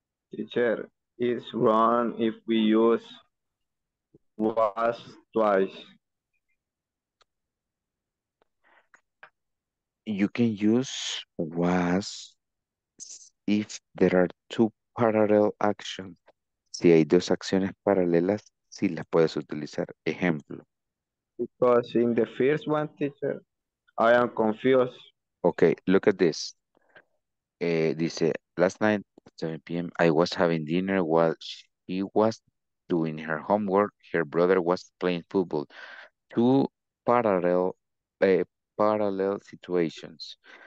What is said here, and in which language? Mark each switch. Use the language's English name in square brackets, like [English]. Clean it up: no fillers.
[English] Teacher, it's wrong if we use was twice. You can use was if there are two parallel actions. [Spanish] Si hay dos acciones paralelas, sí las puedes utilizar. Ejemplo. [English] Because in the first one, teacher, I am confused. Okay, look at this. Dice, last night 7 p.m. I was having dinner while she was doing her homework. Her brother was playing football. Two parallel, parallel situations.